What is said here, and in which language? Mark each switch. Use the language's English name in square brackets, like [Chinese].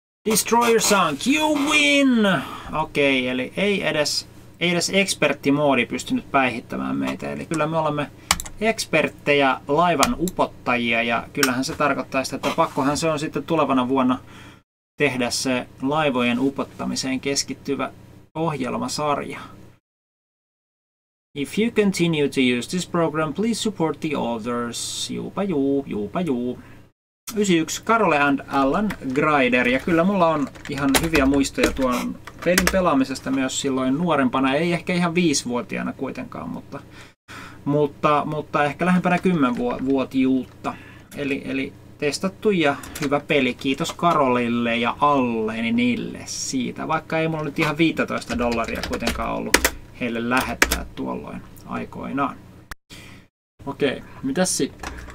[English] Destroyer sunk, you win! [Finnish] Okei, eli ei edes eksperttimoodi pystynyt päihittämään meitä. Eli kyllä me olemme eksperttejä, laivan upottajia, ja kyllähän se tarkoittaa sitä, että pakkohan se on sitten tulevana vuonna tehdä se laivojen upottamiseen keskittyvä ohjelmasarja. [English] If you continue to use this program, please support the others. [Finnish] Juupa juu, juupa juu. 91 Karole and Alan Grider, ja kyllä mulla on ihan hyviä muistoja tuon pelin pelaamisesta myös silloin nuorempana, ei ehkä ihan 5-vuotiaana kuitenkaan, mutta ehkä lähempänä 10-vuotiuutta. Eli testattu ja hyvä peli, kiitos Karolille ja Allenille siitä, vaikka ei mulla nyt ihan $15 kuitenkaan ollut heille lähettää tuolloin aikoinaan. Okei, mitäs sitten?